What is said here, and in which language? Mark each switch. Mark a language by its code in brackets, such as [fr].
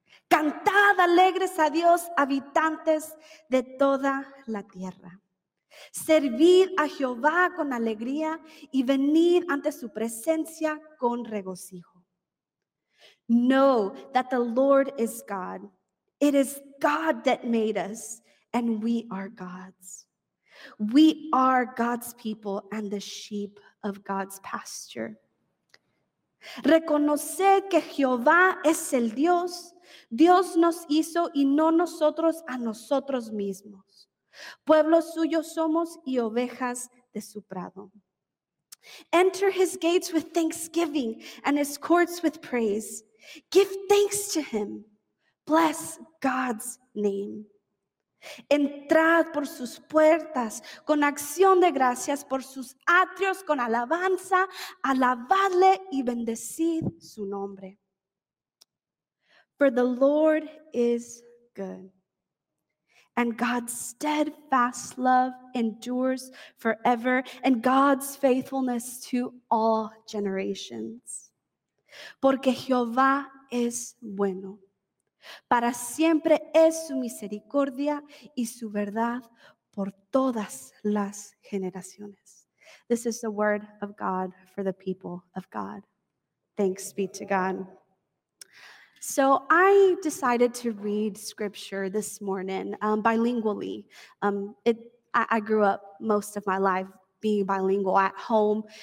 [es] Cantad alegres a Dios, habitantes de toda la tierra. Servid a Jehová con alegría y venid ante su presencia con regocijo. [en] Know that the Lord is God. It is God that made us, and we are God's. We are God's people and the sheep of God's pasture. [es] Reconoced que Jehová es el Dios. Dios nos hizo y no nosotros a nosotros mismos. Pueblo suyo somos y ovejas de su prado. [en] Enter his gates with thanksgiving and his courts with praise. Give thanks to him. Bless God's name. [es] Entrad por sus puertas con acción de gracias, por sus atrios con alabanza, alabadle y bendecid su nombre. [en] For the Lord is good, and God's steadfast love endures forever, and God's faithfulness to all generations. [es] Porque Jehová es bueno. Para siempre es su misericordia y su verdad por todas las generaciones. [en] This is the word of God for the people of God. Thanks be to God. So I decided to read scripture this morning bilingually. I grew up most of my life being bilingual at home.